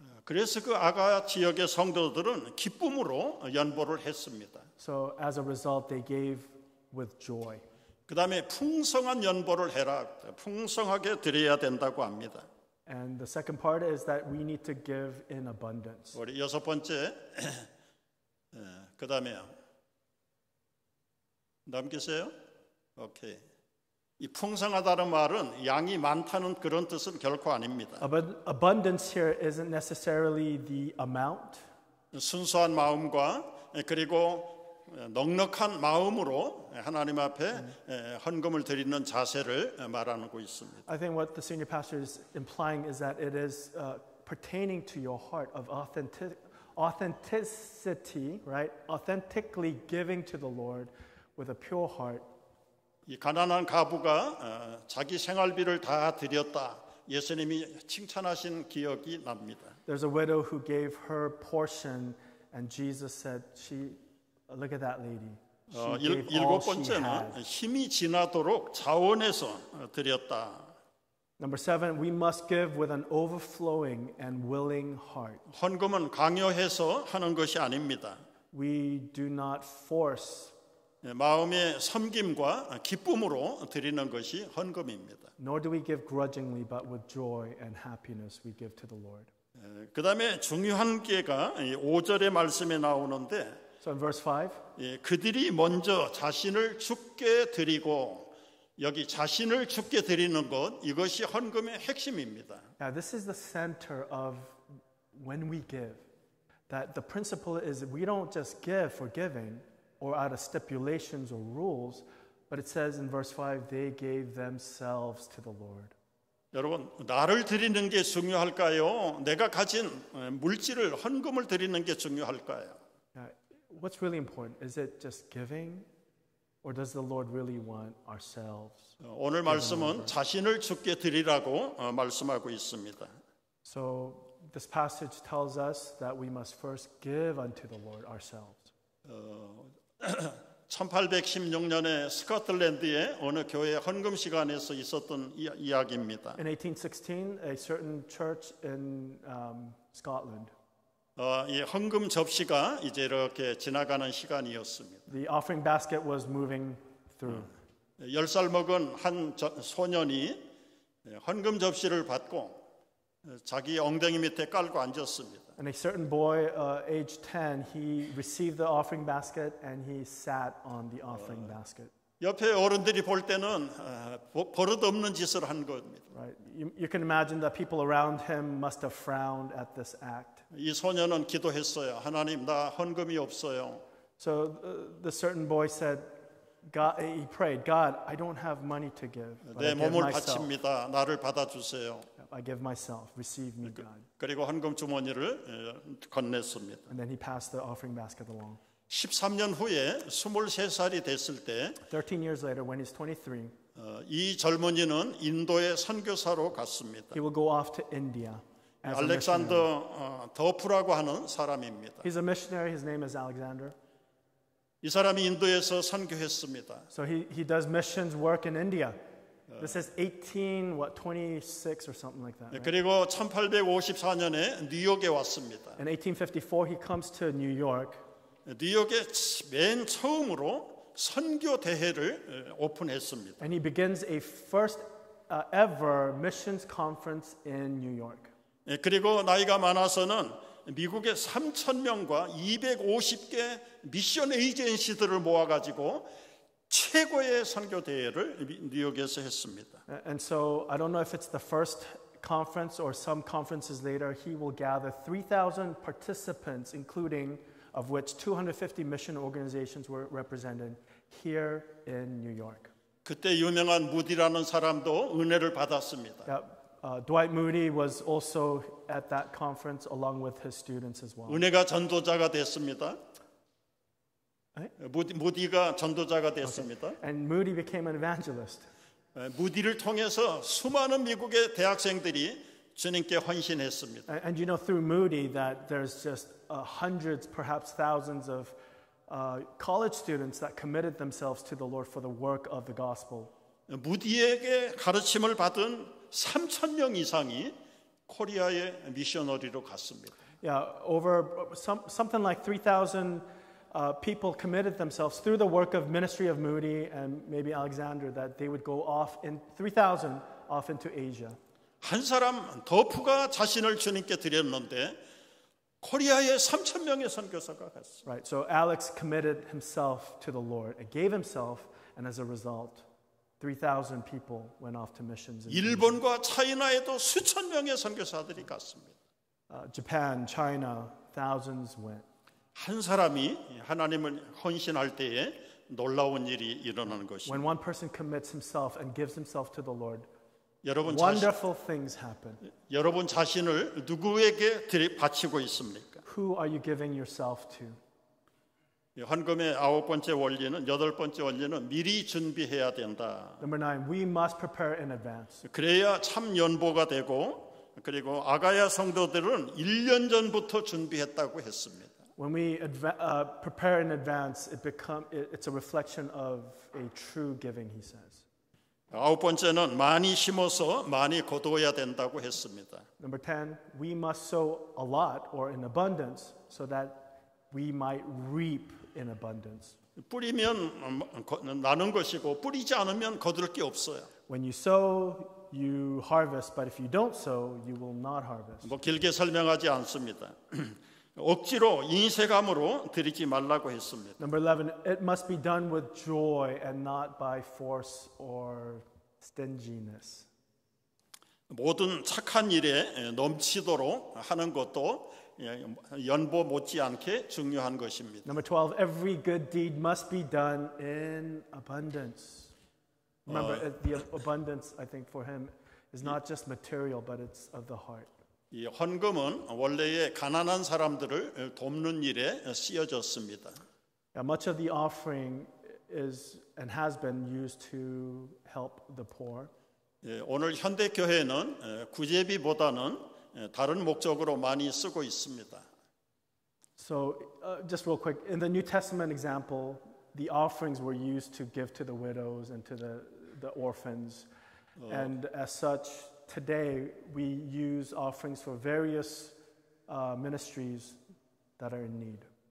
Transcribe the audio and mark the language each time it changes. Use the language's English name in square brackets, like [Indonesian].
[Korean] 그래서 그 아가야 지역의 성도들은 기쁨으로 연보를 했습니다. [English] So as a result, they gave with joy. [Korean] 그 다음에 풍성한 연보를 해라. 풍성하게 드려야 된다고 합니다. [English] And the second part is that we need to give in abundance. [Korean] 우리 여섯 번째, 그 다음에 남기세요. 오케이. 이 풍성하다는 말은 양이 많다는 그런 뜻은 결코 아닙니다. [English] Abundance here isn't necessarily the amount. [Korean] 순수한 마음과 그리고 넉넉한 마음으로 하나님 앞에 헌금을 드리는 자세를 말하고 있습니다. [English] I think what the senior pastor is implying is that it is pertaining to your heart of authenticity, right? Authentically giving to the Lord with a pure heart. [Korean] 이 가난한 가부가 자기 생활비를 다 드렸다. 예수님이 칭찬하신 기억이 납니다. [English] There's a widow who gave her portion and Jesus said she Look at that lady. She gave all she had. [Korean] 일곱 번째는 힘이 지나도록 자원해서 드렸다. [English] Number seven, we must give with an overflowing and willing heart. [Korean] 헌금은 강요해서 하는 것이 아닙니다. [English] We do not force. [Korean] 마음의 섬김과 기쁨으로 드리는 것이 헌금입니다. [English] Nor do we give grudgingly, but with joy and happiness we give to the Lord. [Korean] 그 다음에 중요한 게가 5절의 말씀에 나오는데. [English] So in verse 5, [Korean] 그들이 먼저 자신을 주께 드리고 여기 자신을 주께 드리는 것 이것이 헌금의 핵심입니다. [English] Now this is the center of when we give. That the principle is we don't just give for giving or out of stipulations or rules, but it says in verse 5 they gave themselves to the Lord. [Korean] 여러분 나를 드리는 게 중요할까요? 내가 가진 물질을 헌금을 드리는 게 중요할까요? [English] What's really important? Is it just giving? Or does the Lord really want ourselves? [Korean] 오늘 말씀은 자신을 주께 드리라고 말씀하고 있습니다. [English] So this passage tells us that we must first give unto the Lord ourselves. [Korean] 1816년에 스코틀랜드의 어느 교회 헌금 시간에서 있었던 이야기입니다. [English] In 1816, a certain church in Scotland [Korean] 이 헌금 접시가 이제 이렇게 지나가는 시간이었습니다. [English] The offering basket was moving through. [Korean] 10살 먹은 한 소년이 헌금 접시를 받고 자기 엉덩이 밑에 깔고 앉았습니다. [English] And a certain boy, age 10, he received the offering basket and he sat on the offering basket. [Korean] 옆에 어른들이 볼 때는 버릇없는 짓을 한 겁니다. [English] Right. You can imagine that people around him must have frowned at this act. [Korean] 이 소년은 기도했어요. 하나님, 나 헌금이 없어요. [English] So the certain boy said, God, he prayed, God, I don't have money to give. [Korean] 내 몸을 바칩니다. 나를 받아주세요. [English] I give myself. Receive me, God. [Korean] 그리고 헌금 주머니를 건넸습니다. [English] And then he passed the offering basket along. [Korean] 13년 후에 23살이 됐을 때 [English] 13 years later when he's 23 [Korean] 이 젊은이는 인도에 선교사로 갔습니다. [English] He will go off to India. [Korean] 알렉산더 더프라고 하는 사람입니다. [English] He's a missionary. His name is Alexander. [Korean] 이 사람이 인도에서 선교했습니다. [English] So he does missions work in India. This is 1826 or something like that. [Korean] 그리고 1854년에 뉴욕에 왔습니다. [English] In 1854 he comes to New York. [Korean] 뉴욕에 맨 처음으로 선교 대회를 오픈했습니다. [English] And he begins a first ever missions conference in New York. [Korean] 그리고 나이가 많아서는 미국의 3천 명과 250개 미션 에이전시들을 모아 가지고 최고의 선교 대회를 뉴욕에서 했습니다. [English] And so I don't know if it's the first conference or some conferences later he will gather 3000 participants including of which 250 mission organizations were represented here in New York. [Korean] 그때 유명한 무디라는 사람도 은혜를 받았습니다. [English] Dwight Moody was also at that conference along with his students as well. [Korean] 은혜가 전도자가 됐습니다. 무디가 전도자가 됐습니다. [English] Okay. And Moody became an evangelist. [Korean] 무디를 통해서 수많은 미국의 대학생들이 주님께 헌신했습니다. [English] And you know through Moody that there's just hundreds, perhaps thousands of college students that committed themselves to the Lord for the work of the gospel. [Korean] 무디에게 가르침을 받은 3,000명 이상이 코리아의 미셔너리로 갔습니다. [English] Yeah, over something like 3,000 people committed themselves through the work of ministry of Moody and maybe Alexander that they would go off in 3,000 off into Asia. [Korean] 한 사람 더프가 자신을 주님께 드렸는데 코리아에 3,000명의 선교사가 갔습니다. [English] Right, so Alex committed himself to the Lord and gave himself, and as a result. 3,000 people went off to missions. [Korean] 일본과 차이나에도 수천 명의 선교사들이 갔습니다. [English] Japan, China, thousands went. [Korean] 한 사람이 하나님을 헌신할 때에 놀라운 일이 일어나는 것이. [English] When one person commits himself and gives himself to the Lord, wonderful things happen. [Korean] 여러분 자신을 누구에게 바치고 있습니까? [English] Who are you giving yourself to? [Korean] 헌금의 아홉 번째 원리는 여덟 번째 원리는 미리 준비해야 된다. [English] Number nine, we must prepare in advance. [Korean] 그래야 참 연보가 되고 그리고 아가야 성도들은 1년 전부터 준비했다고 했습니다. [English] When we prepare in advance, it's a reflection of a true giving, he says. [Korean] 아홉 번째는 많이 심어서 많이 거둬야 된다고 했습니다. [English] Number ten, we must sow a lot or in abundance so that we might reap in abundance. [Korean] 뿌리면 나는 것이고 뿌리지 않으면 거둘 게 없어요. [English] When you sow, you harvest, but if you don't sow, you will not harvest. [Korean] 뭐 길게 설명하지 않습니다. 억지로 인색함으로 드리지 말라고 했습니다. [English] Number 11, it must be done with joy and not by force or stinginess. [Korean] 모든 착한 일에 넘치도록 하는 것도 연보 못지않게 중요한 것입니다. [English] Number 12, every good deed must be done in abundance. Remember, the abundance, I think, for him is not just material, but it's of the heart. [Korean] 이 헌금은 원래의 가난한 사람들을 돕는 일에 쓰여졌습니다. [English] Yeah, much of the offering is and has been used to help the poor. [Korean] 오늘 현대 교회는 구제비보다는 다른 목적으로 많이 쓰고 있습니다. [English] So, just real quick, in the New Testament example, the offerings were used to give to the widows and to the orphans. And as such, today we use offerings for various ministries that are in need.